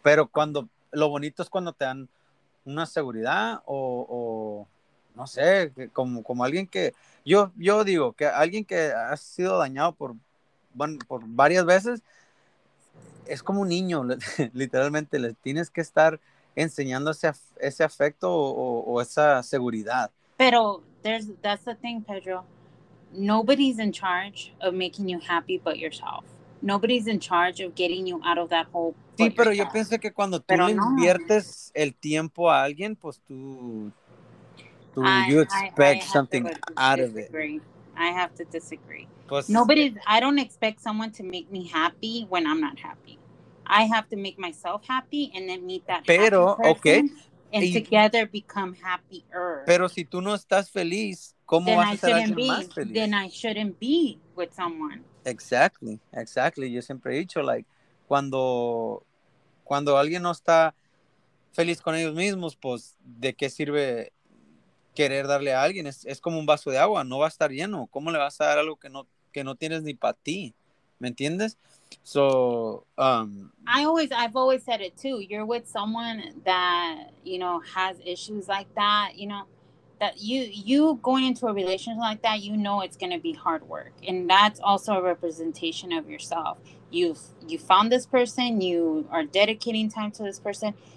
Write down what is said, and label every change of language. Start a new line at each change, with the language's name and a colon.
Spanish: Pero cuando, lo bonito es cuando te dan una seguridad o no sé, como alguien que, yo digo que alguien que ha sido dañado por varias veces, es como un niño, literalmente, le tienes que estar enseñando ese afecto o esa seguridad.
English: Pero, that's the thing, Pedro. Nobody's in charge of making you happy but yourself. Nobody's in charge of getting you out of that hole.
Spanish: Sí, pero yo pienso que cuando tú le inviertes el tiempo a alguien, pues tú
English: you expect something out of it. I have to disagree. Nobody's. I don't expect someone to make me happy when I'm not happy. I have to make myself happy and then meet that happy person. Pero, okay. And together become happier.
Spanish: Pero si tú no estás feliz, ¿cómo vas a ser alguien más feliz?
English: Then I shouldn't be with someone. Exactly.
Spanish: Yo siempre he dicho, like, cuando alguien no está feliz con ellos mismos, pues, ¿de qué sirve querer darle a alguien? Es como un vaso de agua, no va a estar lleno. ¿Cómo le vas a dar algo que no tienes ni para ti? ¿Me entiendes? So,
English: I've always said it too. You're with someone that, you know, has issues like that, you know, that you going into a relationship like that, you know, it's going to be hard work. And that's also a representation of yourself. You found this person, you are dedicating time to this person.